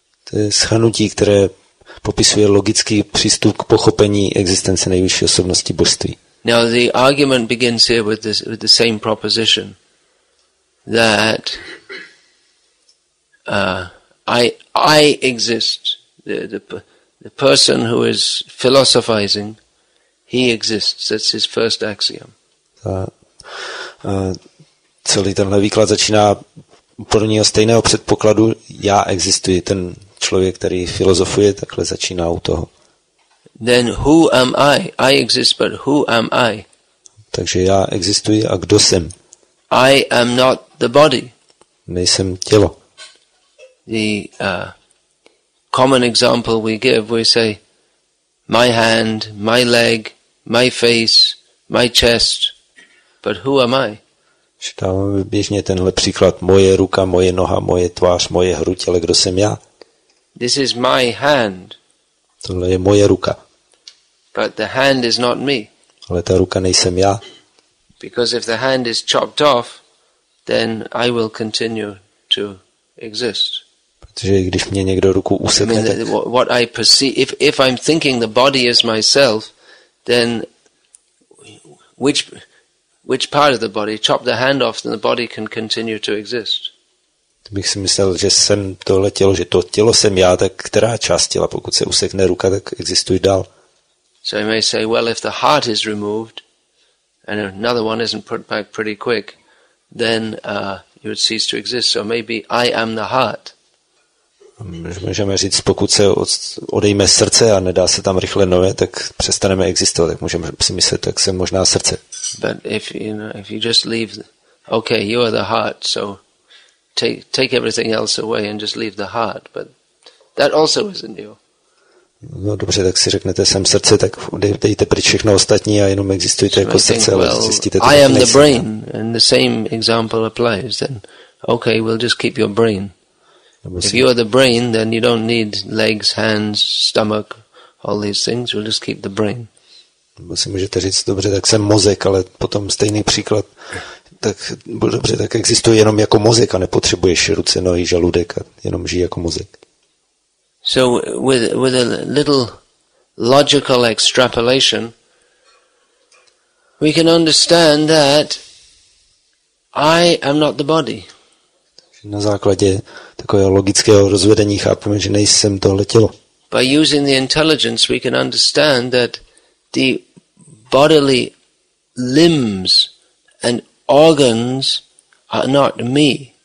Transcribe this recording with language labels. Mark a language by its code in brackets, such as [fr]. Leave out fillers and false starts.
[cs] To je shrnutí, které popisuje logický přístup k pochopení existence nejvyšší osobnosti božství. [en] Now the argument begins here with this, with the same proposition that I exist. The person who is philosophizing, he exists. That's his first axiom. [cs] Celý tenhle výklad začíná úplně o stejného předpokladu. Já existuji. Ten člověk, který filozofuje, takhle začíná u toho. [en] Then who am I? I exist, but who am I? [cs] Takže já existuji a kdo jsem? [en] I am not the body. [cs] Nejsem tělo. [en] The common example we give, we say, my hand, my leg, my face, my chest, but who am I? [cs] Dáváme běžně tenhle příklad, moje ruka, moje noha, moje tvář, moje hruď, ale kdo jsem já? [en] This is my hand. [cs] Tohle je moje ruka. [en] But the hand is not me. [cs] Ale ta ruka nejsem já. [en] Because if the hand is chopped off, then I will continue to exist. [cs] Protože když mě někdo ruku usekne, tak... [en] What I perceive, if I'm thinking the body is myself, then which part of the body? Chop the hand off, then the body can continue to exist. [cs] Bych si myslel, že jsem tohle tělo, že to tělo jsem já, tak která část těla, pokud se usekne ruka, tak existuje dál. [en] So I may say, well, if the heart is removed and another one isn't put back pretty quick, then you would cease to exist. So maybe I am the heart. [cs] Můžeme říct, pokud se odejme srdce a nedá se tam rychle nové, tak přestaneme existovat. Tak můžeme si myslet, tak jsem možná srdce. [en] But if you know, if you just leave, okay, you are the heart, so take everything else away and just leave the heart, but that also isn't you. [cs] No dobře, tak si řeknete, jsem srdce, tak dejte pryč všechno ostatní a jenom existujte jako srdce, ale zjistíte, [en] I am the brain, and the same example applies, then okay, we'll just keep your brain. If you are the brain, then you don't need legs, hands, stomach, all these things, we'll just keep the brain. [cs] Nebo si můžete říct, dobře, tak jsem mozek, ale potom stejný příklad, tak dobře, tak existuje jenom jako mozek a nepotřebuješ ruce, nohy, žaludek a jenom žij jako mozek. [en] So with a little logical extrapolation, we can understand that I am not the body. [cs] Na základě takového logického rozvedení chápeme, že nejsem tohle tělo. [en] By using the intelligence, we can understand that the bodily limbs and organs are not me.